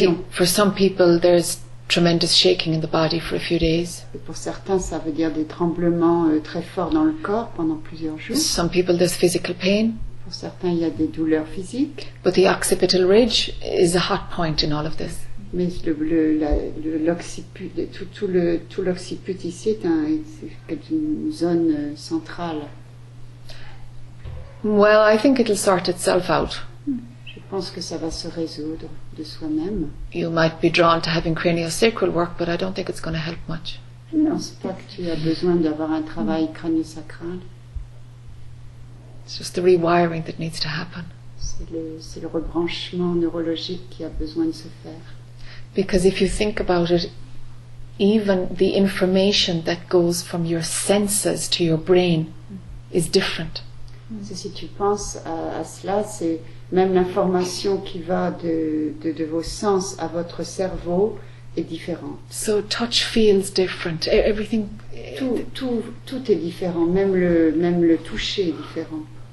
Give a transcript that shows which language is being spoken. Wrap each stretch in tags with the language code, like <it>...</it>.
<en>For some people there's tremendous shaking in the body for a few days.</en> <fr>Et pour certains, ça veut dire des tremblements très forts dans le corps pendant plusieurs jours.</fr> <en>For some people there's physical pain.</en> <fr>Pour certains, il y a des douleurs physiques.</fr> <en>But the occipital ridge is a hot point in all of this.</en> <fr>Mais tout l'occiput ici est une zone centrale.</fr> <en>Well, I think it'll sort itself out.</en> <fr>Je pense que ça va se résoudre de soi-même.</fr> <en>You might be drawn to having craniosacral work, but I don't think it's going to help much.</en> <fr>Je ne pense pas que tu aies besoin d'avoir un travail crânio-sacral.</fr> <en>It's just the rewiring that needs to happen.</en> <fr>C'est le rebranchement neurologique qui a besoin de se faire.</fr> <en>Because if you think about it, even the information that goes from your senses to your brain is different.</en> <fr>Si tu penses à cela, c'est même l'information qui va de vos sens à votre cerveau est différente.</fr> <en>So touch feels different. Everything.</en> <fr>Tout est différent. Même le toucher est différent.</fr>